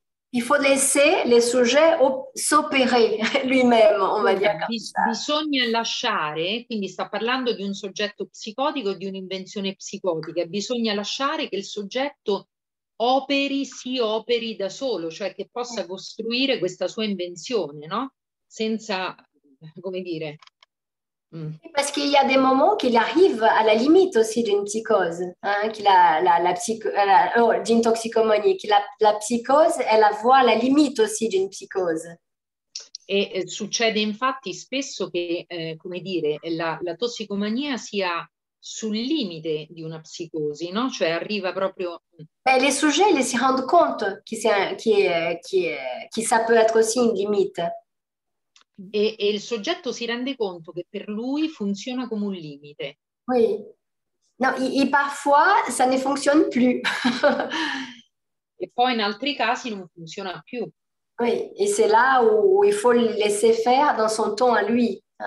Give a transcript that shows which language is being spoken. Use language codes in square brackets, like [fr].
[fr] Il faut laisser le sujet s'opérer lui-même, on va dire. [it] Bisogna lasciare, quindi sta parlando di un soggetto psicotico, di un'invenzione psicotica, bisogna lasciare che il soggetto si operi da solo, cioè che possa costruire questa sua invenzione, no? Senza, come dire... [fr] Parce qu'il y a des moments qu'il arrive à la limite aussi d'une psychose, hein, qu'il a d'une toxicomanie, que la psychose, elle la voit la limite aussi d'une psychose. [it] Et succede infatti spesso che, come dire, la tossicomania sia sul limite di una psicosi, no? Cioè arriva proprio. [fr] Beh, les sujets, ils se rendent compte que ça peut être aussi une limite. [it] E il soggetto si rende conto che per lui funziona come un limite. [fr] Oui. No, e parfois ça ne fonctionne plus. [it] E poi in altri casi non funziona più. [fr] Oui, e c'est là où il faut laisser faire dans son temps à lui.